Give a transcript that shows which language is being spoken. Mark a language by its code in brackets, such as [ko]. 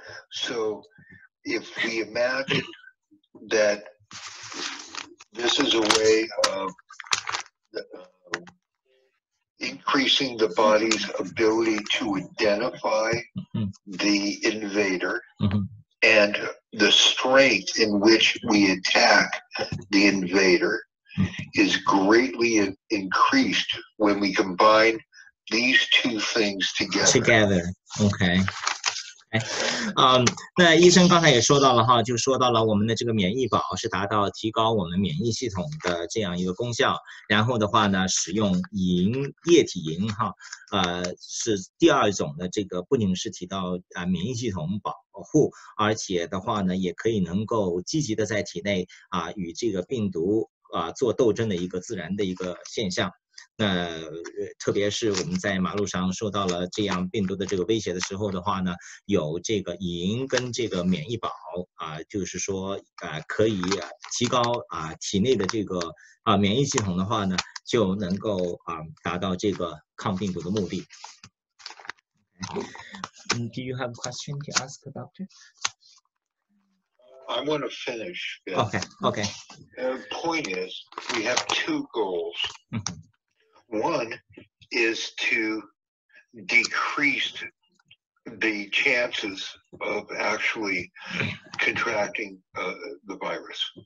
[en] So if we imagine that this is a way of increasing the body's ability to identify the invader and the strength in which we attack the invader is greatly increased when we combine these two things together. Okay. [zh] 那医生刚才也说到了哈，就说到了我们的这个免疫宝是达到提高我们免疫系统的这样一个功效，然后的话呢使用银液体银哈，是第二种的这个不仅是提到免疫系统保护，而且的话呢也可以能够积极的在体内与这个病毒做斗争的一个自然的一个现象。那特别是我们在马路上受到了这样病毒的这个威胁的时候的话呢，有这个银跟这个免疫宝就是说可以提高体内的这个免疫系统的话呢，就能够达到这个抗病毒的目的。 [en] Do you have a question to ask about it? I want to finish. Okay. The point is, we have two goals. One is to decrease the chances of actually contracting the virus.